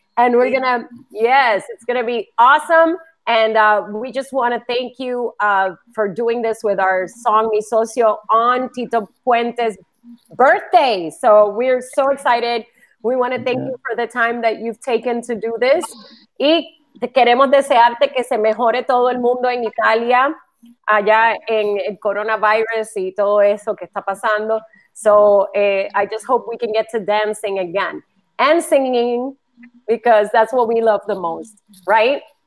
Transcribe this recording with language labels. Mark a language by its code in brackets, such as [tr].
[en] And we're going to, yes, it's going to be awesome. And we just want to thank you for doing this with our song Mi Socio on Tito Puente's birthday. So we're so excited. We want to thank you for the time that you've taken to do this. [es] Y te queremos desearte que se mejore todo el mundo en Italia, allá en el coronavirus y todo eso que está pasando. [en] So I just hope we can get to dancing again and singing because that's what we love the most, right?